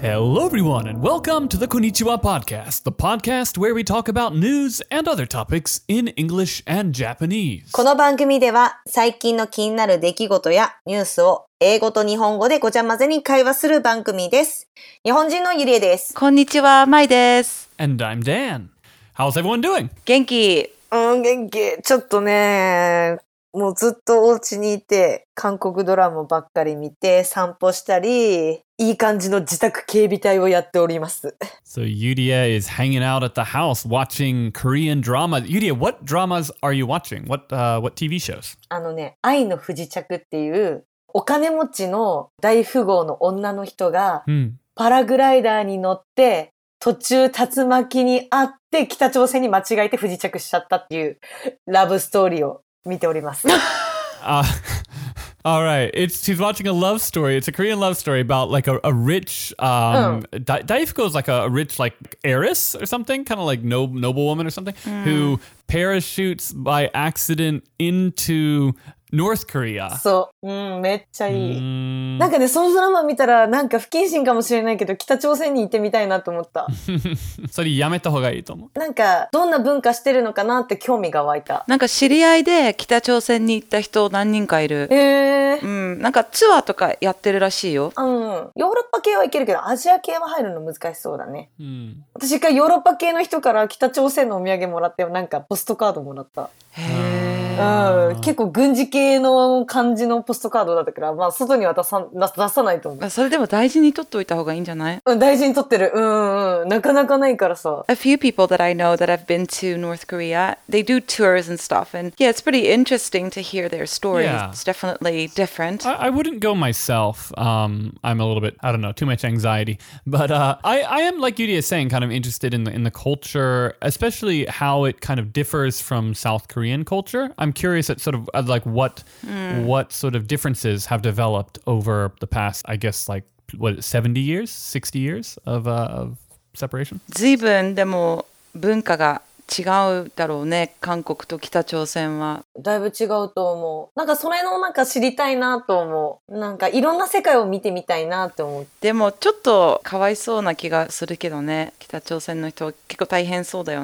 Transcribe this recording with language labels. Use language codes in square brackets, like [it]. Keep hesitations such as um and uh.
[en] Hello, everyone, and welcome to the Konnichiwa Podcast, the podcast where we talk about news and other topics in English and Japanese. [ja] この番組では最近の気になる出来事やニュースを英語と日本語でごちゃ混ぜに会話する番組です。日本人のゆりえです。こんにちは、まいです。 [en] And I'm Dan. How's everyone doing? [ja] 元気。うん、元気。ちょっとね、もうずっとお家にいて、韓国ドラマばっかり見て、散歩したり、いい感じの自宅警備隊をやっております。 [en] So、Yudia is hanging out at the house watching Korean drama.Yudia, what dramas are you w a t c h i n g what TV shows? [ja] あのね、愛の不時着っていう、お金持ちの大富豪の女の人が、パラグライダーに乗って、途中竜巻にあって、北朝鮮に間違えて不時着しちゃったっていうラブストーリーを。見ております。 [en] uh, All right, it's she's watching a love story. It's a Korean love story about like a, a rich um, oh. da, Daifuku is like a, a, rich like heiress or something, kind of like no, noble woman or something, mm. who parachutes by accident into North Korea. [ja] そう。うん、めっちゃいい。んなんかね、そのドラマ見たら、なんか不謹慎かもしれないけど、北朝鮮に行ってみたいなと思った。それやめた方がいいと思う。なんか、どんな文化してるのかなって興味が湧いた。なんか知り合いで北朝鮮に行った人何人かいる。へえ。うん。なんかツアーとかやってるらしいよ。うん。ヨーロッパ系はいけるけど、アジア系は入るの難しそうだね。うん。私一回ヨーロッパ系の人から北朝鮮のお土産もらって、なんかポストカードもらった。へえ。へ Uh, uh, 結構軍事系の感じのポストカードだったから、まあ、外には出さ,な出さないと思う。それでも大事に取っておいた方がいいんじゃないうん、大事に取ってる。うんうん。なかなかないからさ。 [en] A uh few people that I know that have been to North Korea, they do tours and stuff. And yeah, it's pretty interesting to hear their story. Yeah. It's definitely different. I, I wouldn't go myself. Um, I'm a little bit, I don't know, too much anxiety. But uh, I, I am, like Yudi is saying, kind of interested in the, in the culture, especially how it kind of differs from South Korean culture. I I'm curious at sort of at like what mm. what sort of differences have developed over the past, I guess, like what seventy years, sixty years of uh, of separation. [ja] 随分でも文化が違うだろうね韓国と北朝鮮はだいぶ違うと思うなんかそれのなんか知りたいなと思うなんかいろんな世界を見てみたいなって思うでもちょっとかわいそうな気がするけどね北朝鮮の人は結構大変そうだよ